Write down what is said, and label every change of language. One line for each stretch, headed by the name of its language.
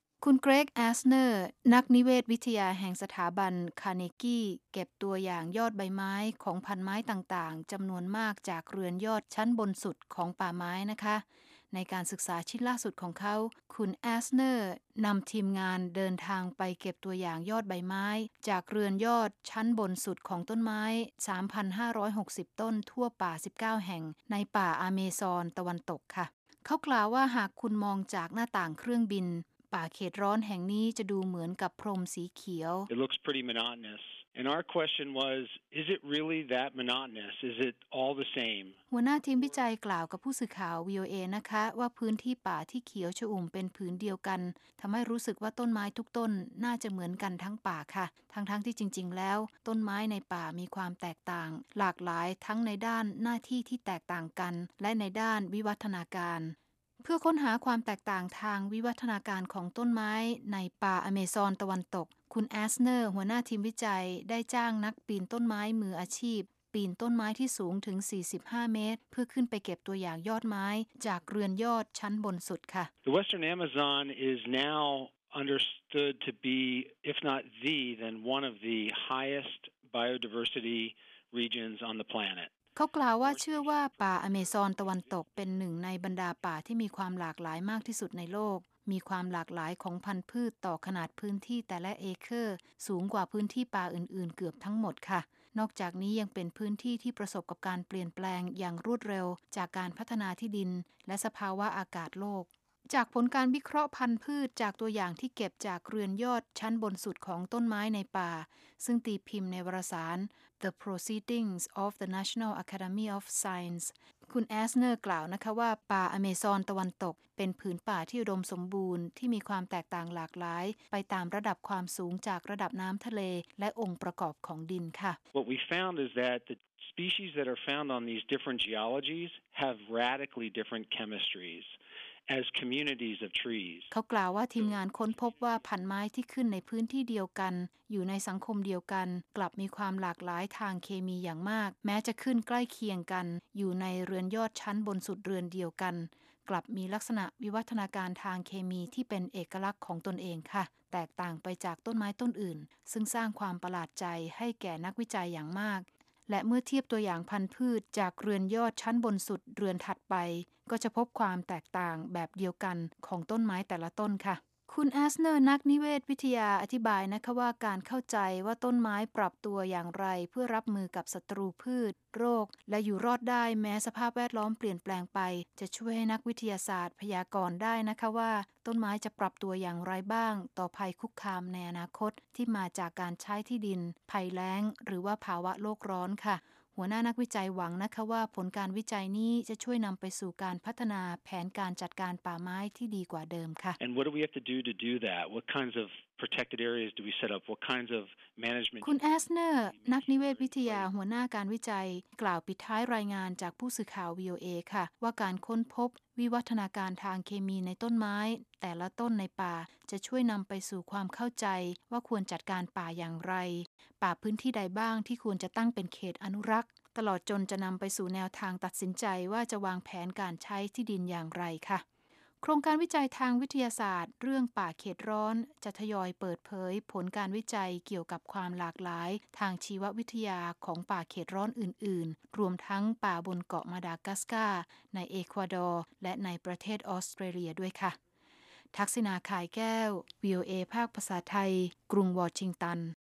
Thai: คุณเกรกแอสเนอร์นักนิเวศวิทยาแห่งสถาบันคาร์เนกี้เก็บตัวอย่างยอดใบไม้ของพันไม้ต่างๆจำนวนมากจากเรือนยอดชั้นบนสุดของป่าไม้นะคะในการศึกษาชิ้นล่าสุดของเขาคุณแอสเนอร์นำทีมงานเดินทางไปเก็บตัวอย่างยอดใบไม้จากเรือนยอดชั้นบนสุดของต้นไม้ 3,560 ต้นทั่วป่า19แห่งในป่าอาเมซอนตะวันตกค่ะเขากล่าวว่าหากคุณมองจากหน้าต่างเครื่องบินป่าเขตร้อนแห่งนี้จะดูเหมือนกับพรมสีเขียว
English: It looks pretty monotonousAnd our question was, is it really that monotonous? Is it all the same?
Thai: หัวหน้าทีมวิจัยกล่าวกับผู้สื่อข่าว VOA นะคะว่าพื้นที่ป่าที่เขียวชอุ่มเป็นพื้นเดียวกันทำให้รู้สึกว่าต้นไม้ทุกต้นน่าจะเหมือนกันทั้งป่าค่ะทั้งที่จริงๆแล้วต้นไม้ในป่ามีความแตกต่างหลากหลายทั้งในด้านหน้าที่ที่แตกต่างกันและในด้านวิวัฒนาการ เพื่อค้นหาความแตกต่างทางวิวัฒนาการของต้นไม้ในป่าอเมซอนตะวันตกคุณแอสเนอร์หัวหน้าทีมวิจัยได้จ้างนักปีนต้นไม้มืออาชีพปีนต้นไม้ที่สูงถึง45เมตรเพื่อขึ้นไปเก็บตัวอย่างยอดไม้จากเรือนยอดชั้นบนสุดค่ะ
English: The Western Amazon is now understood to be if not the then one of the highest biodiversity regions on the planet.
Thai: เขากล่าวว่าเชื่อว่าป่าอเมซอนตะวันตกเป็นหนึ่งในบรรดาป่าที่มีความหลากหลายมากที่สุดในโลกมีความหลากหลายของพันธุ์พืชต่อขนาดพื้นที่แต่ละเอเคอร์สูงกว่าพื้นที่ป่าอื่นๆเกือบทั้งหมดค่ะนอกจากนี้ยังเป็นพื้นที่ที่ประสบกับการเปลี่ยนแปลงอย่างรวดเร็วจากการพัฒนาที่ดินและสภาวะอากาศโลกจากผลการวิเคราะห์พันธุ์พืชจากตัวอย่างที่เก็บจากเรือนยอดชั้นบนสุดของต้นไม้ในป่า ซึ่งตีพิมพ์ในวารสาร The Proceedings of the National Academy of Science คุณแอสเนอร์กล่าวนะคะว่าป่าอเมซอนตะวันตกเป็นผืนป่าที่อุดมสมบูรณ์ที่มีความแตกต่างหลากหลายไปตามระดับความสูงจากระดับน้ำทะเลและองค์ประกอบของดินค่ะ
English: What we found is that the species that are found on these different geologies have radically different chemistriesAs communities of trees.
Thai: เขากล่าวว่าทีมงานค้นพบว่าพันไม้ที่ขึ้นในพื้นที่เดียวกันอยู่ในสังคมเดียวกันกลับมีความหลากหลายทางเคมีอย่างมากแม้จะขึ้นใกล้เคียงกันอยู่ในเรือนยอดชั้นบนสุดเรือนเดียวกันกลับมีลักษณะวิวัฒนาการทางเคมีที่เป็นเอกลักษณ์ของตนเองค่ะ แตกต่างไปจากต้นไม้ต้นอื่นซึ่งสร้างความประหลาดใจให้แก่นักวิจัยอย่างมากและเมื่อเทียบตัวอย่างพันธุ์พืชจากเรือนยอดชั้นบนสุดเรือนถัดไปก็จะพบความแตกต่างแบบเดียวกันของต้นไม้แต่ละต้นค่ะคุณแอสเนอร์นักนิเวศวิทยาอธิบายนะคะว่าการเข้าใจว่าต้นไม้ปรับตัวอย่างไรเพื่อรับมือกับศัตรูพืชโรคและอยู่รอดได้แม้สภาพแวดล้อมเปลี่ยนแปลงไป จะช่วยให้นักวิทยาศาสตร์พยากรณ์ได้นะคะว่าต้นไม้จะปรับตัวอย่างไรบ้างต่อภัยคุกคามในอนาคตที่มาจากการใช้ที่ดินภัยแล้งหรือว่าภาวะโลกร้อนค่ะหัวหน้านักวิจัยหวังนะคะว่าผลการวิจัยนี้จะช่วยนำไปสู่การพัฒนาแผนการจัดการป่าไม้ที่ดีกว่าเดิมค่ะ
English: And what do we have to do to do that? What kinds of protected areas do we set up? What kinds of management?
Thai: คุณแอสเนอร์นักนิเวศวิทยาหัวหน้าการวิจัยกล่าวปิดท้ายรายงานจากผู้สื่อข่าว VOA ค่ะว่าการค้นพบวิวัฒนาการทางเคมีในต้นไม้แต่ละต้นในป่าจะช่วยนำไปสู่ความเข้าใจว่าควรจัดการป่าอย่างไร ป่าพื้นที่ใดบ้างที่ควรจะตั้งเป็นเขตอนุรักษ์ตลอดจนจะนำไปสู่แนวทางตัดสินใจว่าจะวางแผนการใช้ที่ดินอย่างไรค่ะโครงการวิจัยทางวิทยาศาสตร์เรื่องป่าเขตร้อนจะทยอยเปิดเผยผลการวิจัยเกี่ยวกับความหลากหลายทางชีววิทยาของป่าเขตร้อนอื่นๆรวมทั้งป่าบนเกาะมาดากัสการ์ในเอกวาดอร์และในประเทศออสเตรเลียด้วยค่ะทักษิณาขายแก้ว VOA ภาคภาษาไทยกรุงวอชิงตัน